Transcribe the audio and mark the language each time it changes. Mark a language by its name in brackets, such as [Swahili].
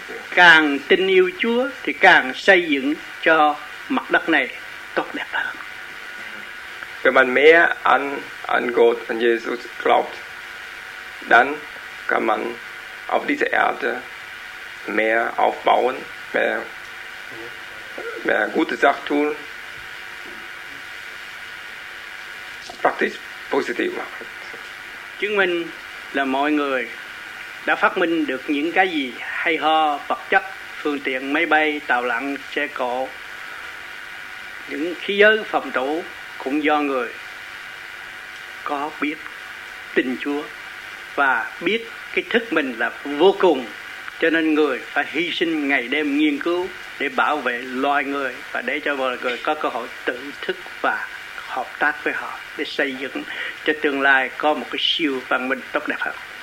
[Vietnamese] Càng tin yêu Chúa thì càng xây dựng cho mặt đất này tốt đẹp hơn. [German] Wenn man mehr an Gott, an Jesus glaubt, dann kann man auf dieser Erde mehr aufbauen, mehr gute Sachen tun, praktisch positiv machen. [Vietnamese] Chứng minh là mọi người đã phát minh được những cái gì hay ho, vật chất, phương tiện, máy bay, tàu lặn, xe cộ, những khí giới phòng trụ cũng do người có biết tình Chúa và biết cái thức mình là vô cùng, cho nên người phải hy sinh ngày đêm nghiên cứu để bảo vệ loài người và để cho loài người có cơ hội tự thức và hợp tác với họ để xây dựng cho tương lai có một cái siêu văn minh tốt đẹp hơn.